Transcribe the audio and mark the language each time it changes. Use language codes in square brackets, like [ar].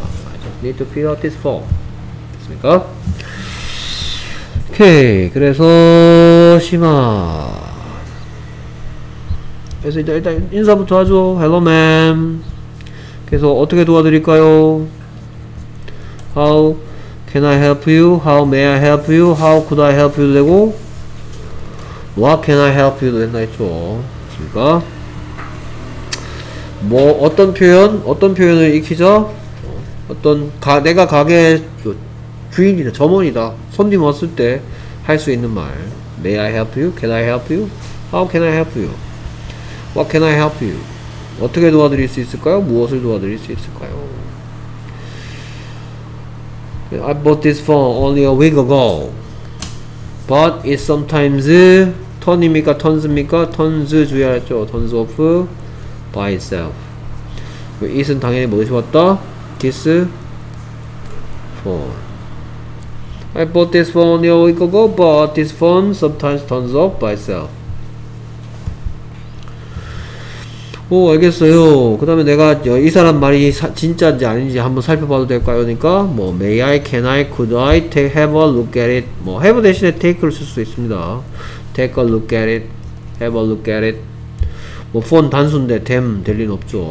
[en] I just need to fill out this form 됐습니까? [ko] 오케이 그래서 심아 그래서 일단 인사부터 하죠. [en] Hello, ma'am. [ko] 그래서 어떻게 도와드릴까요? [en] How can I help you? How may I help you? How could I help you? [ko] 되고 [en] What can I help you? [ko] 된다 했죠. 그러니까 뭐 어떤 표현? 어떤 표현을 익히죠? 어떤 내가 가게 주인이다, 점원이다. 손님 왔을 때 할 수 있는 말. [en] May I help you? Can I help you? How can I help you? What can I help you? [ko] 어떻게 도와드릴 수 있을까요? 무엇을 도와드릴 수 있을까요? [en] I bought this phone only a week ago. But it sometimes turn입니까? turns입니까? turns 주의하죠. turns off by itself. [ko] it은 당연히 뭐 좋았다? [en] this phone. I bought this phone only a week ago, but this phone sometimes turns off by itself. [ko] 오 알겠어요. 그 다음에 내가 이 사람 말이 진짜인지 아닌지 한번 살펴봐도 될까요? 그러니까 뭐 [en] may I, can I, could I, take, have a look at it [ko] 뭐 have 대신에 take를 쓸 수 있습니다. [en] take a look at it, have a look at it [ko] 뭐 phone 단순데 them 될 리는 없죠.